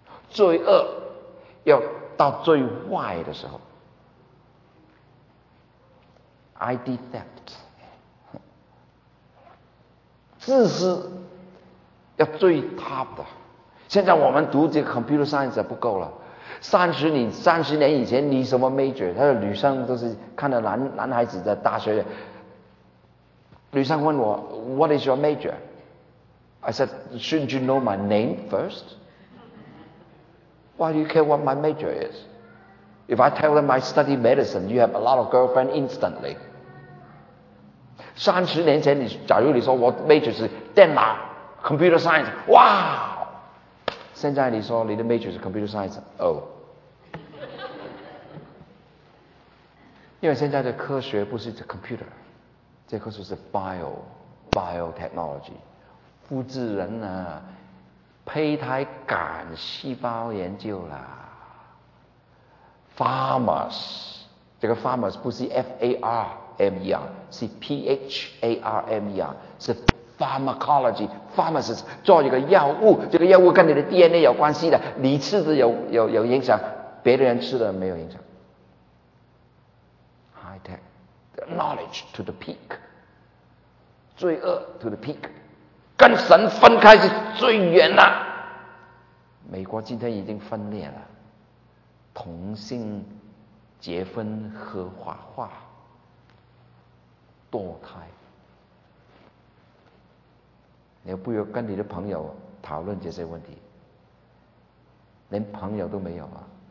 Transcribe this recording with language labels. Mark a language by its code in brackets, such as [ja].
[zh] 罪恶要到最坏的时候， ID theft， 自私要最 top 的。现在我们读这个 computer science 不够了，三十年以前你什么 major， 他说女生都是看到男孩子在大学，女生问我 [en] What is your major？ I said Shouldn't you know my name first？ Why do you care what my major is？ If I tell them I study medicine， You have a lot of girlfriend instantly。 [zh] 三十年前你假如你说我 major 是电脑 computer science， 哇，现在你说你的 major 是 computer science， 哦，因为现在的科学不是 computer， 这科学是 biotechnology， 复制人啊，胚胎感细胞研究啦 ，farmers， 这个 farmers 不是 farmer， 是 pharmer， 是。 Pharmacology， pharmacist 做一个药物，这个药物跟你的 DNA 有关系的，你吃的有影响，别的人吃的没有影响。 [en] High tech knowledge to the peak， 罪恶 to the peak， [zh] 跟神分开是最远了。美国今天已经分裂了，同性结婚合法化，堕胎，你不如跟你的朋友讨论这些问题，连朋友都没有啊。